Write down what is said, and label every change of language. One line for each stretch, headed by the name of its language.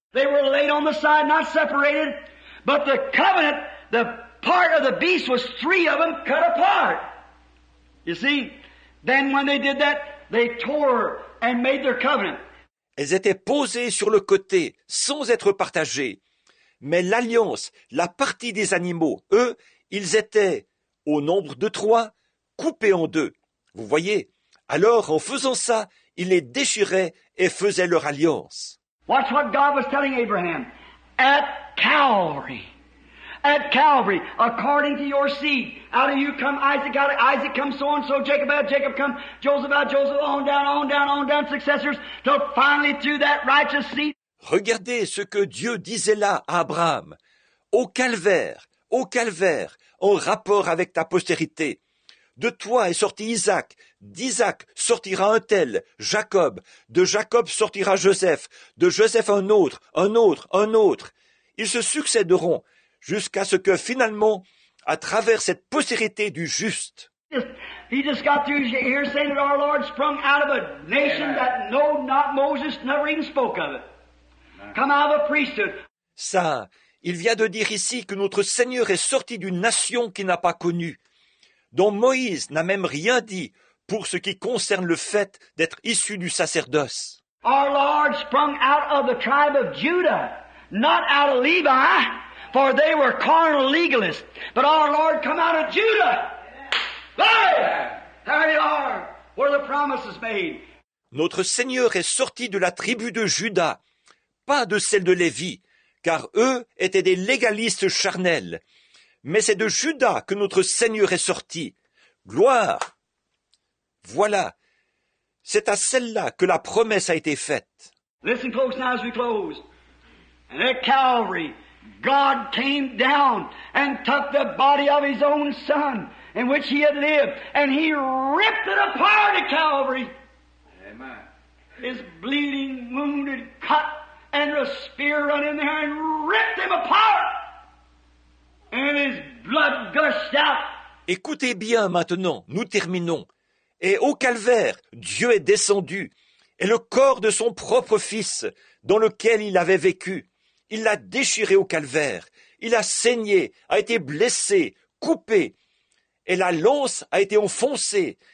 English: They were laid on the side, not separated, but the covenant, the part of the beast was three of them cut apart. You see, then when they did that, they tore and made their covenant.
French: Elles étaient posées sur le côté, sans être partagées. Mais l'alliance, la partie des animaux, eux, ils étaient, au nombre de trois, coupés en deux. Vous voyez? Alors, en faisant ça, ils les déchiraient et faisaient leur alliance.
English: Watch what God was telling Abraham at Calvary. At Calvary, according to your seed, out of you come Isaac, out of Isaac come so and so, Jacob out of Jacob come, Joseph out of Joseph, on down, on down, on down, successors, till finally through that righteous seed.
French: Regardez ce que Dieu disait là à Abraham. Au calvaire, en rapport avec ta postérité. De toi est sorti Isaac, d'Isaac sortira un tel, Jacob, de Jacob sortira Joseph, de Joseph un autre, un autre, un autre. Ils se succéderont. Jusqu'à ce que finalement, à travers cette postérité du juste,
English: he just got through here saying that our Lord sprung out of a nation that know not Moses, never even spoke of it. Come out of a priesthood.
French: Ça, il vient de dire ici que notre Seigneur est sorti d'une nation qui n'a pas connu, dont Moïse n'a même rien dit pour ce qui concerne le fait d'être issu du sacerdoce.
English: Our Lord sprung out of the tribe of Judah, not out of Levi. For they were carnal legalists. But our Lord come out of Judah. Hey! There you are, where the promise is made.
French: Notre Seigneur est sorti de la tribu de Judas, pas de celle de Lévi, car eux étaient des légalistes charnels. Mais c'est de Judas que notre Seigneur est sorti. Gloire! Voilà, c'est à celle-là que la promesse a été faite.
English: Listen close now as we close. And at Calvary, God came down and took the body of his own son in which he had lived, and he ripped it apart at Calvary. Amen. His bleeding, wounded, cut, and the spear run in there and ripped him apart. And his blood gushed out.
French: Écoutez bien maintenant, nous terminons. Et au calvaire, Dieu est descendu, et le corps de son propre fils, dans lequel il avait vécu, il l'a déchiré au calvaire. Il a saigné, a été blessé, coupé. Et la lance a été enfoncée.